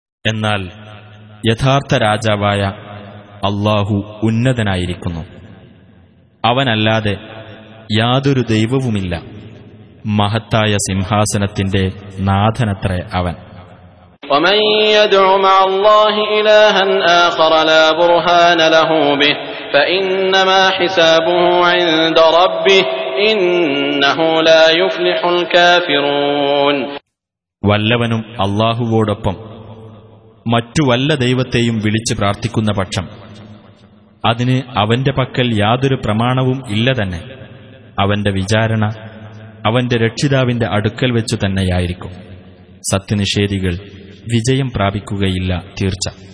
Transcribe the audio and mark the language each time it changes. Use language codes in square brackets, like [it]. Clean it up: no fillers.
[ml] എന്നാൽ യഥാർത്ഥ രാജാവായ അല്ലാഹു ഉന്നതനായിരിക്കുന്നു, അവനല്ലാതെ യാതൊരു ദൈവവുമില്ല, മഹത്തായ സിംഹാസനത്തിന്റെ നാഥനത്രേ അവൻ. [ar] ومن يدع مع الله إلها آخر لا برهان له به فإنما حسابه عند ربه إنه لا يفلح الكافرون. [ml] വല്ലവനും അല്ലാഹുവോടൊപ്പം മറ്റു വല്ല ദൈവത്തെയും വിളിച്ചു പ്രാർത്ഥിക്കുന്ന പക്ഷം അതിന് അവന്റെ പക്കൽ യാതൊരു പ്രമാണവും ഇല്ല തന്നെ, അവന്റെ വിചാരണ അവന്റെ രക്ഷിതാവിന്റെ അടുക്കൽ വെച്ചു തന്നെയായിരിക്കും. സത്യനിഷേധികൾ വിജയം പ്രാപിക്കുകയില്ല തീർച്ച.